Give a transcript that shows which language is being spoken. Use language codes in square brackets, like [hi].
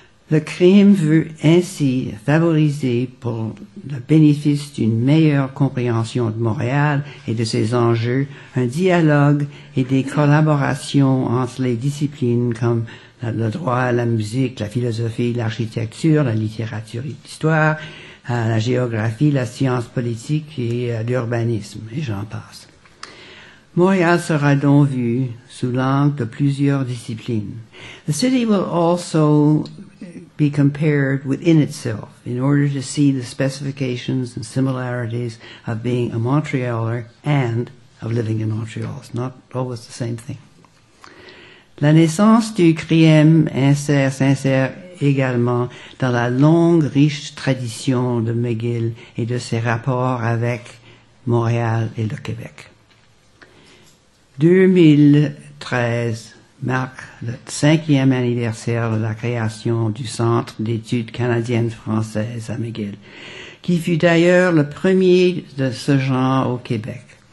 [fr] Le CRIEM veut ainsi favoriser pour le bénéfice d'une meilleure compréhension de Montréal et de ses enjeux, un dialogue et des collaborations entre les disciplines comme le droit, la musique, la philosophie, l'architecture, la littérature et l'histoire, la géographie, la science politique et l'urbanisme, et j'en passe. Montréal sera donc vu sous l'angle de plusieurs disciplines. [en] The city will also be compared within itself in order to see the specifications and similarities of being a Montrealer and of living in Montreal. It's not always the same thing. [fr] La naissance du CRIEM s'insère également dans la longue, riche tradition de McGill et de ses rapports avec Montréal et le Québec. 2013 marque le 5e anniversaire de la création du Centre d'études canadiennes françaises à McGill, qui fut d'ailleurs le premier de ce genre au Québec.